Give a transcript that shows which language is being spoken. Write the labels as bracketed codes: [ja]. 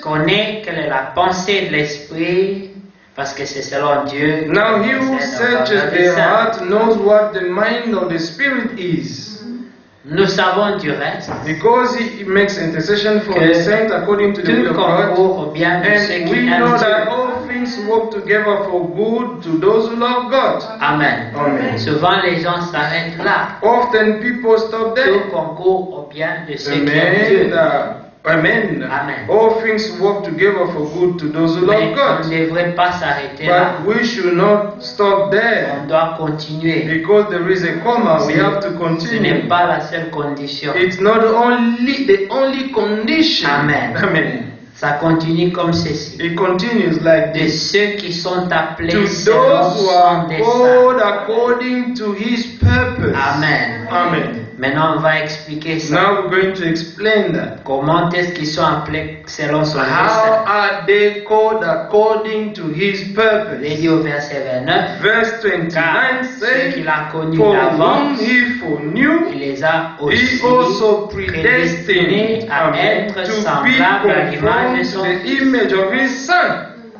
[fr] connaît quelle est la pensée de l'esprit, parce que c'est selon Dieu. [en] Now he who searches the heart knows what the mind of the Spirit is. [fr] Nous savons du reste, [en] because he makes intercession for the saints according to the will of God, and we know that all things work together for good to those who love God. Amen. Amen. [fr] Souvent les gens s'arrêtent là. [en] Often people stop there. [fr] Tout concourt au bien de ceux amen. Qui aiment Dieu. Amen. Amen. [en] All things work together for good to those who love God. [fr] On ne devrait pas s'arrêter [en] But [fr] là. [en] We should not stop there. [fr] On doit continuer. [en] Because there is a comma, we have to continue. [fr] Ce n'est pas la seule condition. [en] It's not only the only condition. Amen. Amen. [fr] Ça continue comme ceci. [en] It continues like [fr] de ceux qui sont appelés [en] to those who are called according to his purpose. Amen. Amen. [fr] Maintenant, on va expliquer ça. [en] Now we're going to explain that. [fr] Comment est-ce qu'ils sont appelés selon son destin? [en] How are they called according to his purpose? [fr] Il dit au verset 29. [en] Verse 29 says, [fr] qu'il a connu [en] for whom he foreknew, [fr] il les a aussi [en] he also predestined [fr] à être [en] to be conformed to the image of his son.